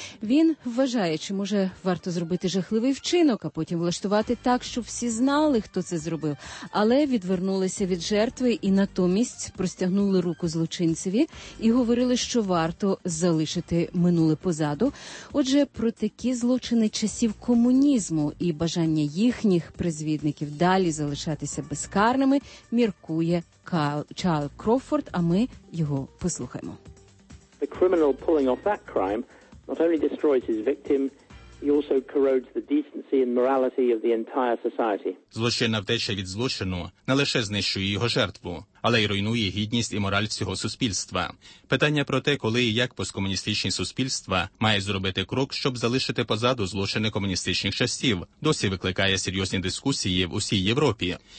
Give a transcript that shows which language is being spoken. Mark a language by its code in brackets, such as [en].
[uk] Він вважає, чи може варто зробити жахливий вчинок, а потім влаштувати так, щоб всі знали, хто це зробив, але відвернулися від жертви і натомість простягнули руку злочинцеві і говорили, що варто залишити минуле позаду. Отже, про такі злочини часів комунізму і бажання їхніх призвідників далі залишатися безкарними, міркує Чарльз Крофорд, а ми його послухаємо. [en] The criminal pulling off that crime not only destroys his victim, he also corrodes the decency and morality of the entire society. [uk] Злочинна втеча від злочину не лише знищує його жертву, але й руйнує гідність і мораль всього суспільства. Питання про те, коли і як посткомуністичні суспільства мають зробити крок, щоб залишити позаду злочини комуністичних часів, досі викликає серйозні дискусії в усій Європі.